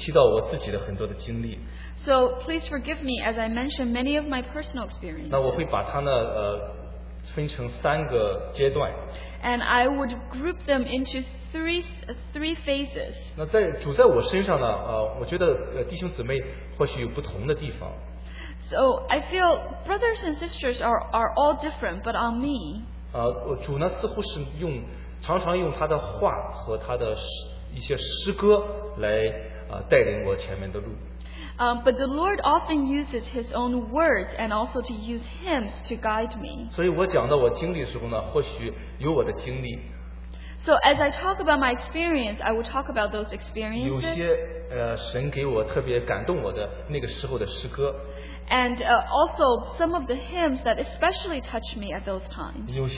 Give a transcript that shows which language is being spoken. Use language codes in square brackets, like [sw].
[zh] 所以呢，请弟兄姊妹原谅呢，我会提到我自己的很多的经历。 [en] So please forgive me as I mention many of my personal experiences. [zh] 那我会把它呢分成三个阶段。 [en] And I would group them into three phases. [zh] 那在主在我身上呢，我觉得弟兄姊妹或许有不同的地方。 [en] So I feel brothers and sisters are all different, but on me. [zh] 主呢似乎是用常常用他的话和他的一些诗歌来带领我前面的路。 [en] But the Lord often uses His own words and also to use hymns to guide me. [zh] 所以我讲到我经历的时候呢，或许有我的经历。 [en] So as I talk about my experience, I will talk about those experiences. [zh] 有些神给我特别感动我的那个时候的诗歌。 [en] And also some of the hymns that especially touched me at those times.